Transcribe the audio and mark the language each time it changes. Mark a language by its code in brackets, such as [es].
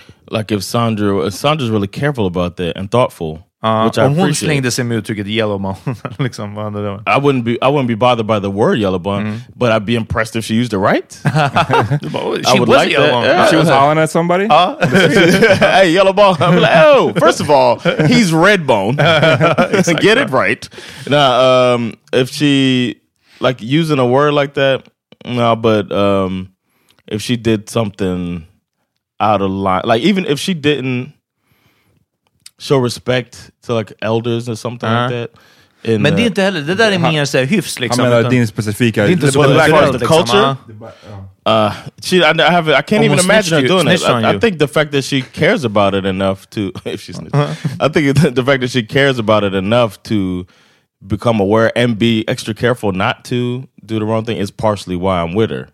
[en] Like if Sandra's really careful about that and thoughtful. [sv] Om hon slängde sig med uttrycket yellow bone, liksom, vad handlade det om? [en] I wouldn't be bothered by the word yellow bone, but I'd be impressed if she used it right. She was like yellow bone. Yeah. She was hollering at somebody? Hey, yellow bone. I'm like, oh, first of all, he's red bone. Get it right. Now, if she, like, using a word like that, but if she did something out of line, like, even if she didn't show respect to like elders or something like that. [sv] In, men det är inte heller, det där är mer så här hyfs liksom. Han menar din specifika, det är inte [en] så the culture. I can't even imagine her doing it. I think the fact that she cares about it enough to, if she's, I think the fact that she cares about it enough to become aware and be extra careful not to do the wrong thing is partially why I'm with her.